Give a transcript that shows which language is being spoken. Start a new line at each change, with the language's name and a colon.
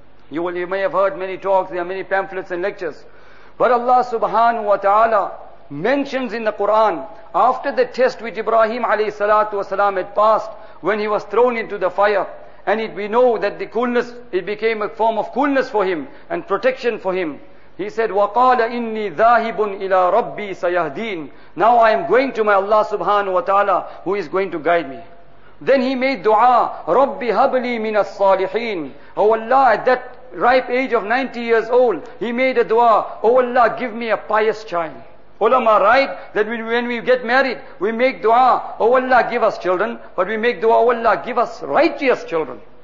English: You may have heard many talks, there are many pamphlets and lectures. But Allah subhanahu wa ta'ala mentions in the Quran, after the test which Ibrahim alayhi salatu wasalam had passed, when he was thrown into the fire, and we know that the coolness, it became a form of coolness for him and protection for him. He said,
Arabic: وَقَالَ إِنِّي ذَاهِبٌ إِلَىٰ رَبِّي سَيَهْدِينَ.
English: Now I am going to my Allah subhanahu wa ta'ala, who is going to guide me. Then he made dua,
Arabic: رَبِّي هَبْلِي مِنَ الصَّالِحِينَ.
English: Oh Allah, at that ripe age of 90 years old, he made a dua, oh Allah, give me a pious child. Ulama write that when we get married, we make dua, oh Allah, give us children, but we make dua, oh Allah, give us righteous children.